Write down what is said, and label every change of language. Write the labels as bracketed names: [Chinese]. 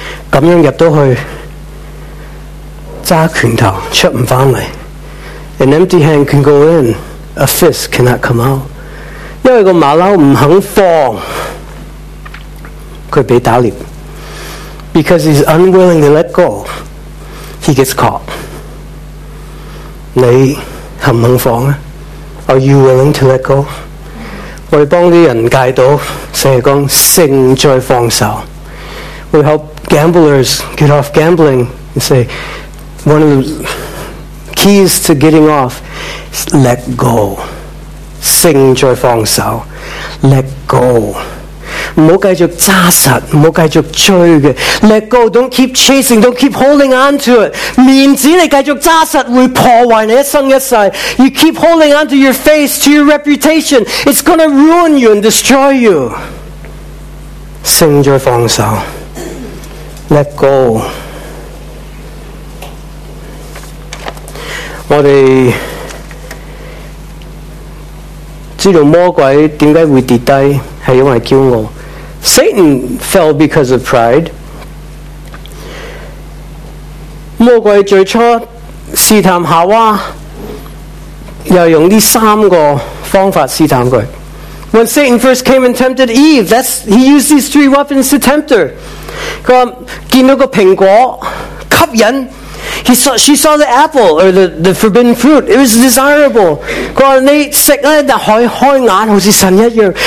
[Cantonese] 咁樣入到去揸拳頭出唔返嚟。 [English] An empty hand can go in. A fist cannot come out. [Cantonese] 因為個馬騮唔肯放，佢俾打獵。 [English] Because he's unwilling to let go, he gets caught. [Cantonese] 你肯唔肯放啊？ [English] Are you willing to let go? [Cantonese] 我哋帮啲人戒赌，成日讲胜在放手。 [English] We help gamblers get off gambling and say one of the keys to getting off is let go. [Cantonese] 胜在放手 ， [English] let go. [Cantonese] 唔好继续揸实，唔好继续追嘅。 [English] Let go. Don't keep chasing. Don't keep holding on to it. [Cantonese] 面子你继续揸实会破坏你一生一世。 [English] You keep holding on to your face, to your reputation. It's going to ruin you and destroy you. [Cantonese] 胜在放手。 [English] Let go. [Cantonese] 我哋知道魔鬼点解会跌低，系因为骄傲。 [English] Satan fell because of pride。 [Cantonese] 魔鬼最初试探夏娃，又用呢三个方法试探佢。 [English] When Satan first came and tempted Eve, he used these three weapons to tempt her. [Cantonese] 佢见到个苹果吸引。 [English] She saw the apple or the forbidden fruit. It was desirable. [Cantonese] 佢话你食咧，但开开眼好似神一样。